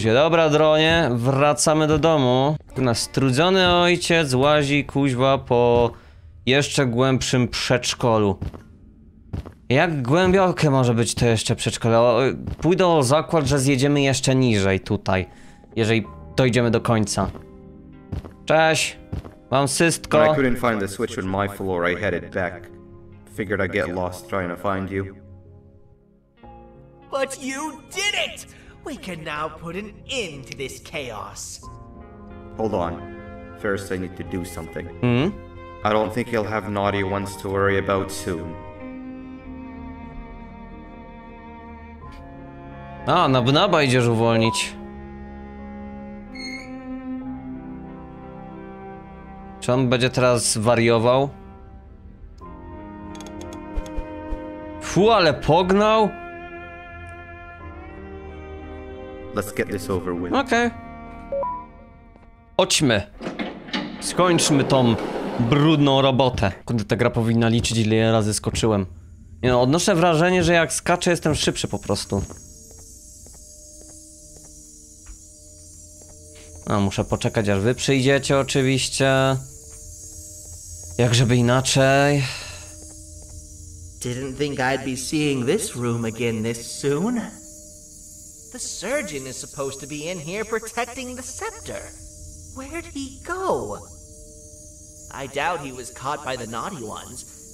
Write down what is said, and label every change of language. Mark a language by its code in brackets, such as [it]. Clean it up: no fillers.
[pl] Dobra, dronie, wracamy do domu. Nastrudzony ojciec łazi, kuźwa, po jeszcze głębszym przedszkolu. Jak głębokie może być to jeszcze przedszkole? Pójdę o zakład, że zjedziemy jeszcze niżej tutaj, jeżeli dojdziemy do końca. Cześć! Mam systko. [en] I couldn't find the switch on my floor, I headed back. Figured I'd get lost trying to find you. But you did it! We can now put an end to this chaos. Hold on. First, I need to do something. Hmm? I don't think you'll have naughty ones to worry about soon. [pl] A, Nabnaba idziesz uwolnić. Czy on będzie teraz wariował? Fu, ale pognał? [en] Let's get this over with. [pl] Okej. Chodźmy. Skończmy tą brudną robotę. Kiedy ta gra powinna liczyć, ile razy skoczyłem. Nie no, odnoszę wrażenie, że jak skaczę, jestem szybszy po prostu. No, muszę poczekać, aż wy przyjdziecie oczywiście. Jak żeby inaczej. [en] Didn't think I'd be seeing this room again this soon. The surgeon is supposed to be in here protecting the scepter. Where'd he go? I doubt he was caught by the naughty ones.